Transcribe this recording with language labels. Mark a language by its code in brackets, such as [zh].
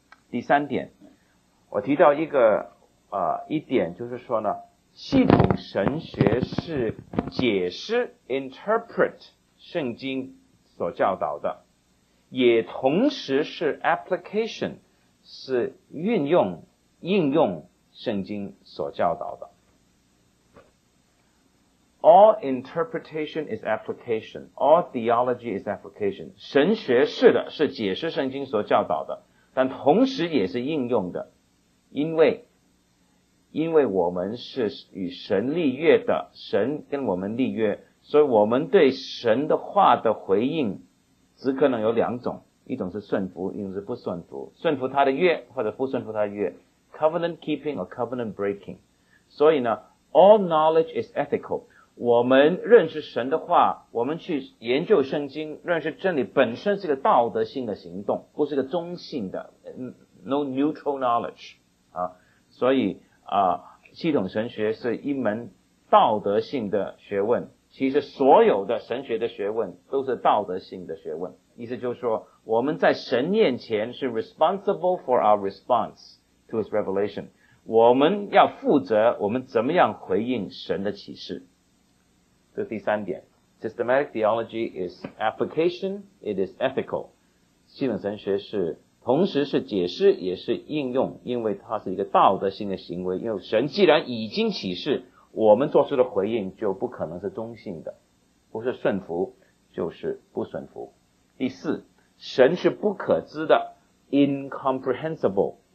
[zh] 第三点，我提到一点，就是说呢，系统神学是解释 interpret 圣经所教导的，也同时是 application 是运用应用圣经所教导的。 [en] All interpretation is application. All theology is application. [zh] 神学是的，是解释圣经所教导的，但同时也是应用的。因为我们是与神立约的，神跟我们立约，所以我们对神的话的回应只可能有两种，一种是顺服，一种是不顺服。顺服他的约或者不顺服他的约， [en] covenant keeping or covenant breaking. [zh] 所以呢， [en] all knowledge is ethical. [zh] 我们认识神的话，我们去研究圣经，认识真理本身是个道德性的行动，不是个中性的 [en] no neutral knowledge [zh] 啊。所以啊，系统神学是一门道德性的学问。其实所有的神学的学问都是道德性的学问，意思就是说，我们在神面前是 [en] responsible for our response to his revelation， [zh] 我们要负责我们怎么样回应神的启示。这是第三点。 [en] Systematic theology is application, it is ethical. [zh] 系统神学是同时是解释也是应用，因为它是一个道德性的行为，因为神既然已经启示，我们做出的回应就不可能是中性的，不是顺服就是不顺服。第四，神是不可知的， incomprehensible。